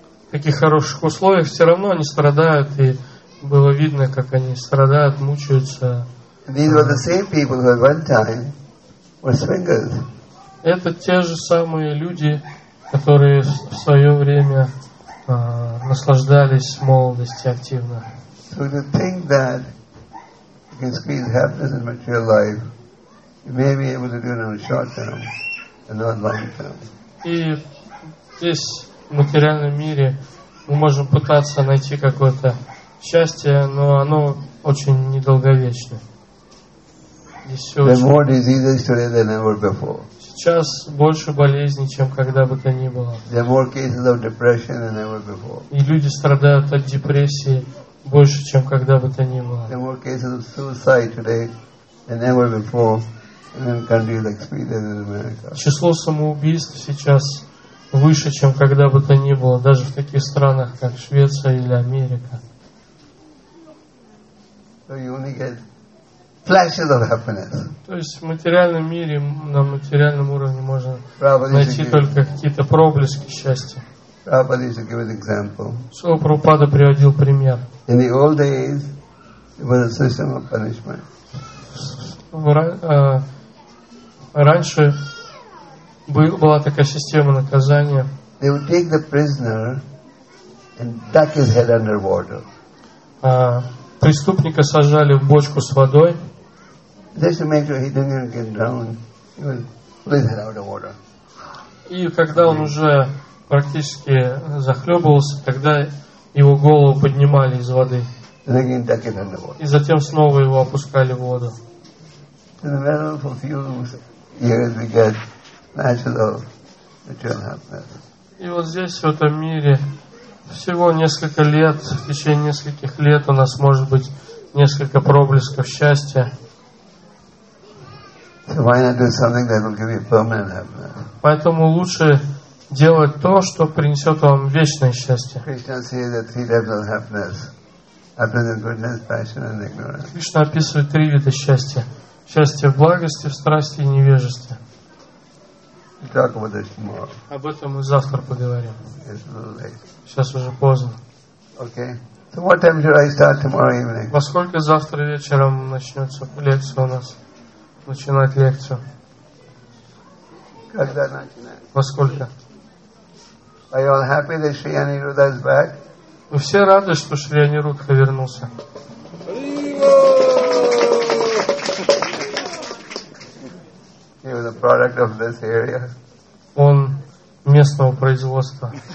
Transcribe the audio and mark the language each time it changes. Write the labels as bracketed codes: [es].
[ru] таких хороших условиях, все равно они страдают, и было видно, как они страдают, мучаются. [en] These were the same people who at one time were swingers. [ru] Это те же самые люди, которые в свое время наслаждались молодостью активно. [en] So to think that you can squeeze happiness in material life, you may be able to do it in a short term and not long term. [ru] И здесь в материальном мире мы можем пытаться найти какое-то счастье, но оно очень недолговечно. [en] There are more diseases today than ever before. [ru] Сейчас больше болезней, чем когда бы то ни было. [en] There are more cases of depression than ever before. [ru] И люди страдают от депрессии больше, чем когда бы то ни было. [en] There are more cases of suicide today than ever before in countries like Sweden and America. [ru] Число самоубийств сейчас выше, чем когда бы то ни было, даже в таких странах, как Швеция или Америка. [en] So you only get flashes of happiness. [ru] То есть в материальном мире, на материальном уровне можно найти только какие-то проблески счастья. [en] Prabhupada used to give an example. [ru] Шрила Прабхупада приводил пример. [en] In the old days, it was a system of punishment. [ru] Раньше была такая система наказания. [en] They would take the prisoner and duck his head under water. [ru] Преступника сажали в бочку с водой. [en] Just to make sure he didn't get drowned, he would pull his head out of water. [ru] И когда он уже практически захлебывался, тогда его голову поднимали из воды. [en] And again, duck it under water. [ru] И затем снова его опускали в воду. [en] In the matter of a few years, we get flashes of material happiness. [ru] И вот здесь, в этом мире, всего несколько лет, в течение нескольких лет у нас может быть несколько проблесков счастья. [en] So why not do something that will give you permanent happiness? [ru] Поэтому лучше делать то, что принесет вам вечное счастье. [en] Krishna says that three types of happiness: happiness in goodness, passion, and ignorance. [ru] Кришна описывает три вида счастья: счастье в благости, в страсти и невежестве. [en] We'll talk about this tomorrow. [ru] Об этом мы завтра поговорим. [en] It's a little late. [ru] Сейчас уже поздно. Okay. [en] So what time should I start tomorrow evening? [ru] Во сколько завтра вечером начнется лекция у нас? Начинать лекцию. Когда начинать? Во сколько? [en] Are you all happy that Shri Aniruddha is back? [ru] Мы все рады, что Шри Анирудха вернулся. [en] He was a product of this area. [ru] Он местного производства.